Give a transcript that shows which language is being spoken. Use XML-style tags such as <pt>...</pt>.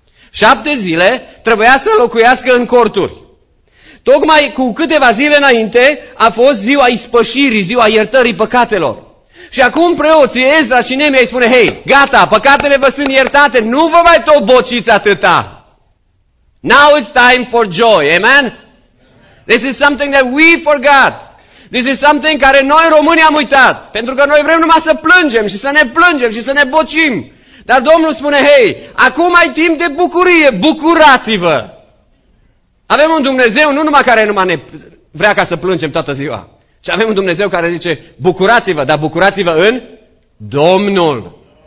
<ro>7 zile trebuia să locuiască în corturi. Tocmai cu câteva zile înainte a fost ziua ispășirii, ziua iertării păcatelor. Și acum preoții Ezra și Nemia îi spune, hei, gata, păcatele vă sunt iertate, nu vă mai tot bociți atâta.</ro> <en>Now it's time for joy, amen? This is something that we forgot. This is something</en> <ro>care noi românii am uitat. Pentru că noi vrem numai să plângem și să ne plângem și să ne bocim. Dar Domnul spune, hei, acum ai timp de bucurie, bucurați-vă! Avem un Dumnezeu nu numai care numai ne vrea ca să plângem toată ziua, ci avem un Dumnezeu care zice, bucurați-vă, dar bucurați-vă în Domnul.</ro>